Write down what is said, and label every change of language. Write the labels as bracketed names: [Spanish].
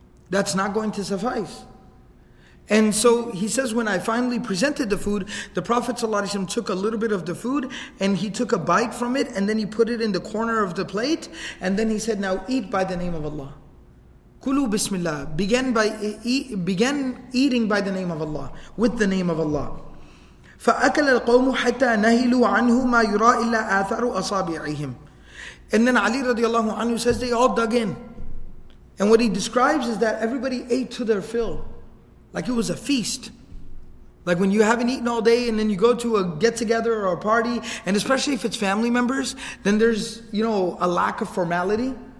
[English] That's not going to suffice. And so he says, when I finally presented the food, the Prophet ﷺ took a little bit of the food and he took a bite from it and then he put it in the corner of the plate. And then he said, now eat by the name of Allah. [Arabic] Kulu bismillah. [English] Began eating by the name of Allah, with the name of Allah. [Arabic] فأكل القوم حتى نهلوا عنه ما يرى إلا آثار أصابعهم. [English] And then Ali radiallahu anhu says they all dug in. And what he describes is that everybody ate to their fill. Like it was a feast. Like when you haven't eaten all day and then you go to a get-together or a party, and especially if it's family members, then there's, you know, a lack of formality.